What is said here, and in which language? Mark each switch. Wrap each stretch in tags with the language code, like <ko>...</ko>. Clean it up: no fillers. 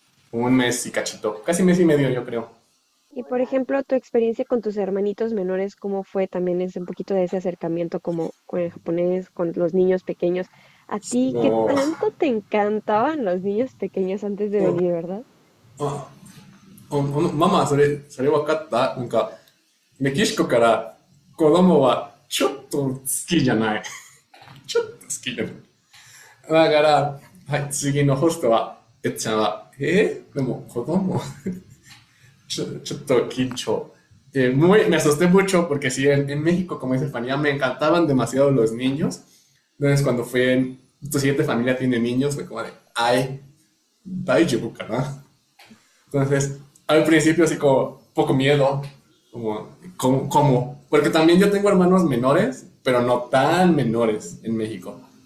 <es>Un mes y cachito, casi mes y medio, yo creo. Y por ejemplo, tu experiencia con tus hermanitos menores, ¿cómo fue también ese un poquito de ese acercamiento como con el japonés, con los niños pequeños? ¿A ti qué No. tanto te encantaban los niños pequeños antes de venir, verdad?</es> <ja>Mamá, それわかった？なんか、メキシコから子供はちょっと好きじゃない。ちょっと好きじゃない。だから、はい、次のホストは、えっちゃんは、でも子供 ちょっと緊張。</ja> <es>me asusté mucho porque sí, en México, como dice Fanny, me encantaban demasiado los niños. Entonces, cuando fui en tu siguiente familia tiene niños, fue como de, ay,</es> <ja>daijoubu kana.</ja> <es>Entonces, al principio así como poco miedo, como, porque también yo tengo hermanos menores, pero no tan menores en México.</es>